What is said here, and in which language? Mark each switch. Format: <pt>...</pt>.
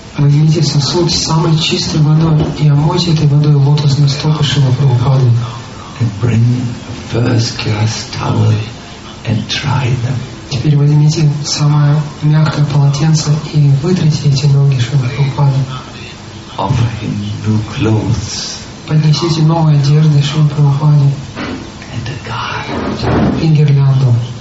<ru>Возьмите сосуд с самой чистой водой и омойте этой водой лотосные стопы Шрилы Прабхупады.</ru> <en>And bring first class towel and dry them.</en> <ru>Теперь возьмите самое мягкое полотенце и вытрите эти ноги Шрилы Прабхупады.</ru> <en>Offer him new clothes.</en> <ru>Поднесите новые одежды Шрилы Прабхупады.</ru> <en>And a garland.</en> <ru>И гирлянду.</ru>